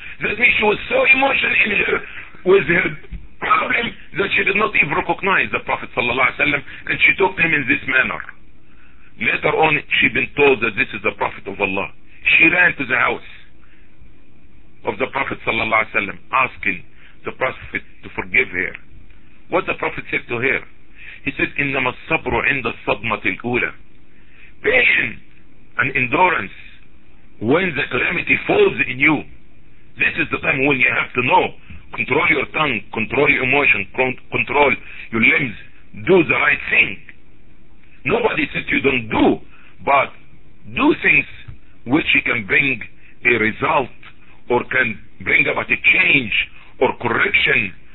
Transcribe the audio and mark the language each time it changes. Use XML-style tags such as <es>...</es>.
<en>That means she was so emotional in her, with her problem, that she did not even recognize the Prophet ﷺ, and she talked to him in this manner. Later on, she been told that this is the Prophet of Allah. She ran to the house of the Prophet ﷺ, asking the Prophet to forgive her. What the Prophet said to her? He said,</en> <ar>إِنَّمَا الصَّبْرُ عِنْدَ الصَّدْمَةِ الْأُولَى.</ar> <en>Patience and endurance when the calamity falls in you. This is the time when you have to know. Control your tongue, control your emotion, control your limbs. Do the right thing. Nobody said you don't do, but do things which can bring a result or can bring about a change or correction.</en>